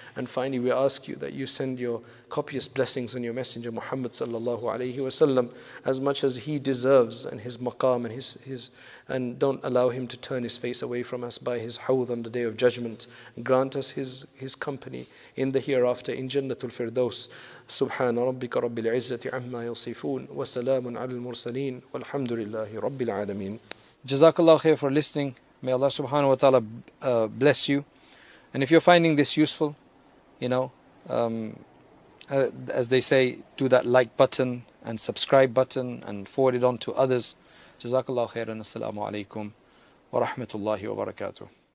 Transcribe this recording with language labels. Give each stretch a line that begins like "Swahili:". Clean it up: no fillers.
English: And finally, we ask you that you send your copious blessings on your messenger Muhammad sallallahu alayhi wa sallam, as much as he deserves, and his maqam and his, and don't allow him to turn his face away from us by his hawd on the day of judgment. Grant us his company in the hereafter in Jannatul Firdaus. سبحان ربك رب العزة عما يصفون وسلام على المرسلين والحمد لله رب العالمين.
Arabic: جزاك الله خير
English: for listening. May Allah subhanahu wa ta'ala bless you. And if you're finding this useful, you know, as they say, do that like button and subscribe button and forward it on to others.
Arabic: جزاك الله خير. السلام عليكم ورحمة الله وبركاته.